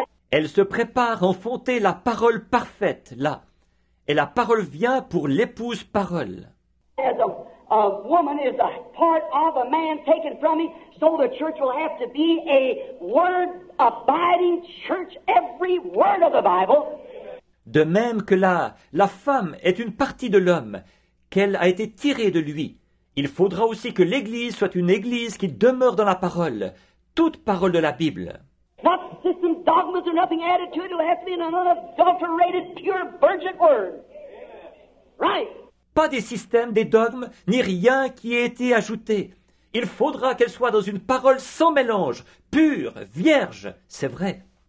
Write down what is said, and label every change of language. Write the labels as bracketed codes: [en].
[fr] Elle se prépare à enfanter la parole parfaite là, et la parole vient pour l'épouse parole. [en] A woman is a part of a man taken from me, so the church will have to be a word-abiding church, every word of the Bible. [fr] De même que la femme est une partie de l'homme, qu'elle a été tirée de lui. Il faudra aussi que l'Église soit une Église qui demeure dans la parole, toute parole de la Bible. [en] Not systems, dogmas, or nothing added to it, it will have to be an unadulterated, pure, virgin word. Right. [fr] Pas des systèmes, des dogmes, ni rien qui ait été ajouté. Il faudra qu'elle soit dans une parole sans mélange, pure, vierge, c'est vrai.